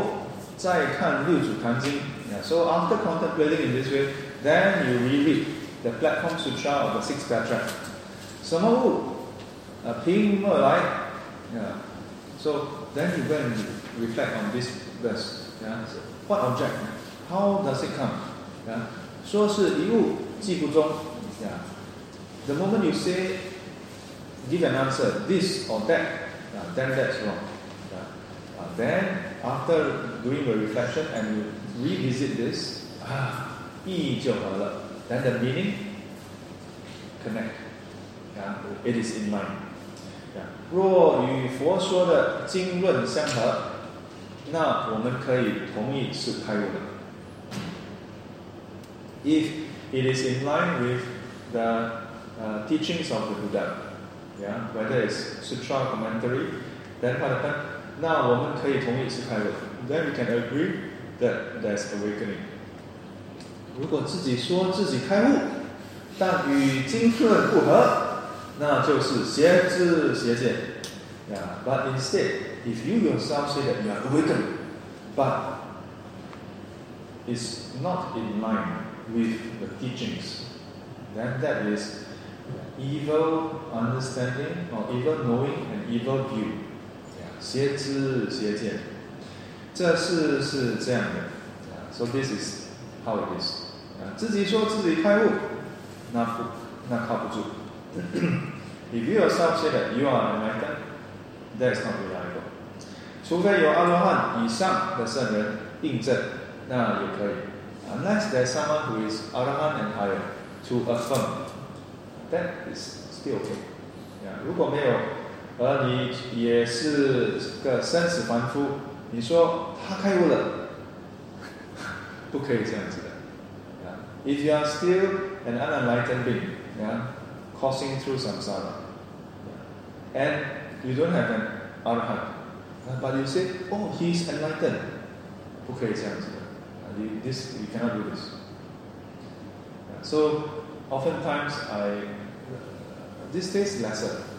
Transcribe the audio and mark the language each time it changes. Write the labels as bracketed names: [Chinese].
[Chinese] 这样思维后，再看六祖坛经. [English] Yeah, so after contemplating in this way, then you reread the Platform Sutra of the Sixth Patra. [Chinese] 什么物？凭物而来.Yeah. [English] So then you go and reflect on this verse. Yeah. So, what object? How does it come? Yeah. [Chinese] 说是一物，即不中.Yeah. [English] The moment you say, give an answer, this or that, yeah, then that's wrong. Yeah. Then, after doing the reflection and you revisit this, [Chinese] 意义就好了. [English] Then the meaning, connect. Yeah. It is in mind. Yeah. [Chinese] 若与佛说的经论相合, 那我们可以同意是开悟的. [English] If it is in line with the teachings of the Buddha, yeah, whether it's sutra or commentary, then what happened? [Chinese] 那我们可以同意是开悟. [English] Then we can agree that there's awakening. [Chinese] 如果自己说自己开悟, 但与经论不合, 那就是邪知邪见. [English] Yeah, but instead, if you yourself say that you are awakened, but it's not in line with the teachings, then that is evil understanding or evil knowing and evil view. [Chinese] Yeah. 邪知邪见.这是这样的.Yeah. [English] So this is how it is. Yeah. [Chinese] 自己说自己开悟, 那靠不住. [English] If you yourself say that you are enlightened, that is not reliable. [Chinese] 除非有阿罗汉以上的圣人印证，那也可以。 [English] Unless there's someone who is arahant and higher to affirm, that is still okay. [Chinese] Yeah, 如果没有，而你也是个生死凡夫，你说他开悟了，不可以这样子的。 [English] Yeah, if you are still an unenlightened being, yeah, coursing through samsara, yeah, and you don't have an arahant, but you say, oh, he's enlightened, [Chinese] 不可以这样子的。 [English] You cannot do this. So, oftentimes, these days lesser.